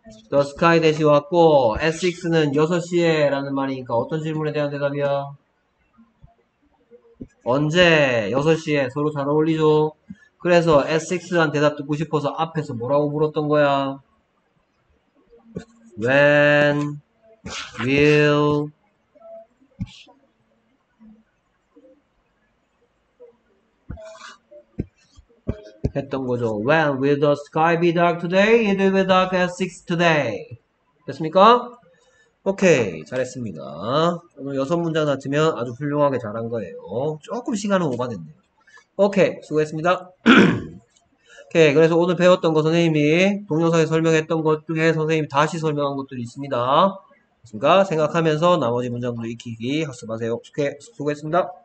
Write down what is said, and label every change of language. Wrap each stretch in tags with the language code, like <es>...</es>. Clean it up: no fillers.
<ko>The sky 대신 왔고, S6는 6시에 라는 말이니까 어떤 질문에 대한 대답이야? 언제? 6시에 서로 잘 어울리죠? 그래서 S6란 대답 듣고 싶어서 앞에서 뭐라고 물었던 거야?</ko> <en>When will When will the sky be dark today? It will be dark at 6 today.</en> <ko>됐습니까? 오케이. 잘했습니다. 오늘 여섯 문장 다 치면 아주 훌륭하게 잘한 거예요. 조금 시간은 오바됐네요. 오케이. 수고했습니다. 오케이. 그래서 오늘 배웠던 거 선생님이 동영상에 설명했던 것 중에 선생님이 다시 설명한 것들이 있습니다. 됐습니까? 생각하면서 나머지 문장도 익히기 학습하세요. 수고했습니다.</ko>